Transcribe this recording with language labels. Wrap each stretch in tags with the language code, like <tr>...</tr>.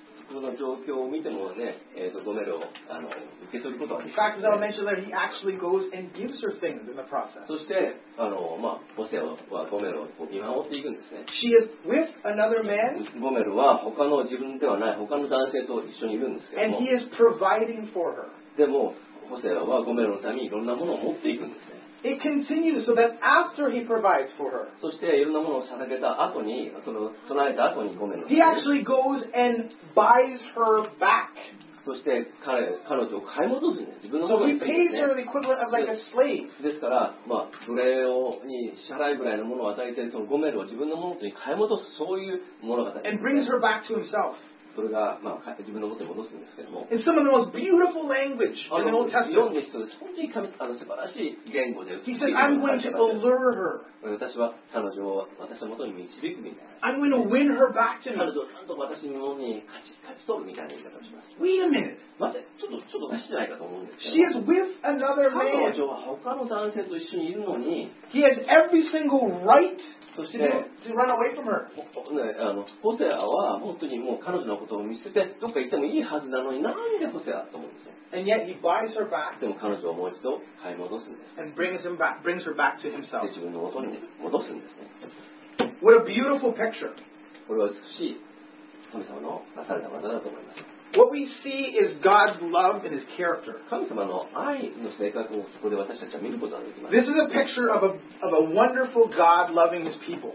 <ja>その状況を見てもね、ゴメルを受け取ることはできない。</ja> <en>In fact, as I mentioned that he actually goes and gives her things in the process.</en> <ja>そして、ホセアはゴメルを見守っていくんですね。</ja> <en>She is with another man.</en> <ja>ゴメルは他の自分ではない他の男性と一緒にいるんですけども。</ja> <en>And he is providing for her.</en> <ja>でも、ホセアはゴメルのためにいろんなものを持っていくんですね。</ja> <en>It continues so that after he provides for her,</en> <ja>そしていろんなものを捧げた後に、その備えた後にごめんなさい。</ja> <en>He actually goes and buys her back.</en> <ja>そして彼女を買い戻すね。自分のために。</ja> <en>So he pays her the equivalent of like a slave.</en> <ja>ですから、奴隷に支払いぐらいのものを与えて、そのごめんを自分のものとに買い戻す、そういうものが。</ja> <en>And brings her back to himself.</en> <ja>それが、自分の元に戻すんですけども。</ja> <en>And some of the most beautiful language in the Old Testament.</en> <ja>本当に神素晴らしい言語で。</ja> <en>He said, I'm going to allure her.</en> <ja>私は彼女を私の元に導くみたいな。</ja> <en>I'm going to win her back to me.</en> <ja>彼女をちゃんと私の元に勝ち取るみたいな言い方をします。</ja> <en>Wait a minute.</en> <ja>待て、ちょっとおかしいじゃないかと思うんですけど。</ja> <en>She is with another man.</en> <ja>彼女は他の男性と一緒にいるのに。</ja> <en>He has every single right.</en> <ja>ホセアは本当にもう彼女のことを見捨ててどっか行ってもいいはずなのになんでホセアと思うんですよ。</ja> <en>And yet he buys her back.</en> <ja>でも彼女をもう一度買い戻すんです。</ja> <en>And brings her back to himself.</en> <ja>で自分の元に戻すんですね。</ja> <en>What a beautiful picture.</en> <ja>これは美しい神様のなされた技だと思います。</ja> <en>What we see is God's love and His character. This is a picture of a wonderful God loving His people.</en>